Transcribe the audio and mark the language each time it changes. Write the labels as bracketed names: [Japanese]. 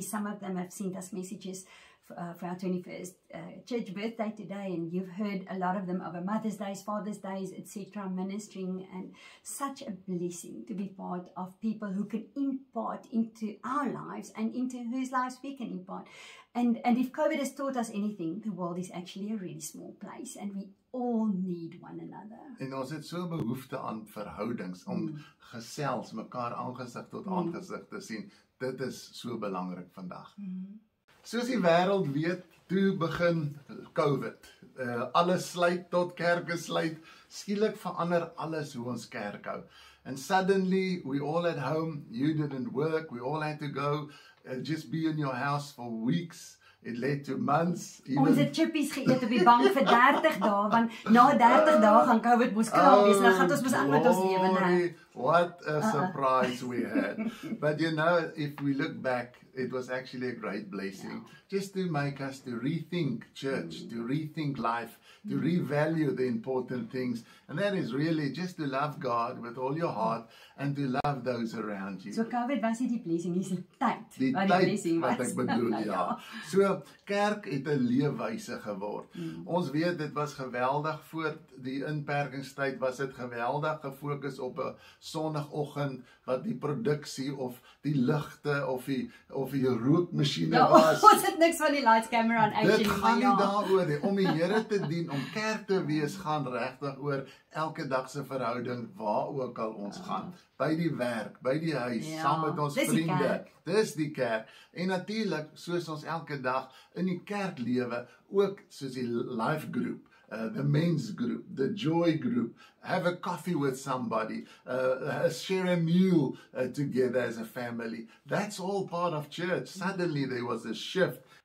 [English] Some of them have sent us messages for our 21st church birthday today, and you've heard a lot of them over Mother's Days, Father's Days, etc., ministering, and such a blessing to be part of people who can impart into our lives and into whose lives we can impart. And if COVID has taught us anything, the world is actually a really small place, and we all need one another. [Afrikaans] En ons het so behoefte aan verhoudings, om gesels, mekaar aangesig tot aangesig te sien. Dit is so belangrik vandag. Soos die wêreld weet, toe begin COVID. Alles sluit tot kerke sluit. Skielik verander alles hoe ons kerk hou. [English] And suddenly, we all at home, you didn't work, we all had to go and just be in your house for weeks. It led to months. [Afrikaans] Ons het chippies geëet op die bank vir 30 dae, want na 30 dae gaan COVID mos klaar wees, dan gaan ons mos aan met ons lewe nou. [English] What a surprise we had. But you know, if we look back, it was actually a great blessing. Yeah. Just to make us to rethink church, to rethink life, to revalue the important things. And that is really just to love God with all your heart and to love those around you. [Afrikaans] So COVID was nie die blessing, dis die tyd wat die blessing was. Wat ek bedoel, ja. So kerk het 'n leefwyse geword. Ons weet dit was geweldig voor die inperkingstyd, was dit geweldig gefokus op 'n sonoggend wat die produksie of die ligte of die rookmasjiene was. Ons het niks van die [English] lights camera [Afrikaans] aan [English] action. [Afrikaans] Dit gaan nie daaroor nie. Om die Here te dien, om kerk te wees, gaan regtig oor elke dag se verhouding waar ook al ons gaan. By die werk, by die huis, saam met ons vriende. Dis die kerk. En natuurlik, soos ons elke dag in die kerk lewe, ook soos die life group, [English] the men's group, the joy group, have a coffee with somebody, share a meal together as a family. That's all part of church. Suddenly there was a shift.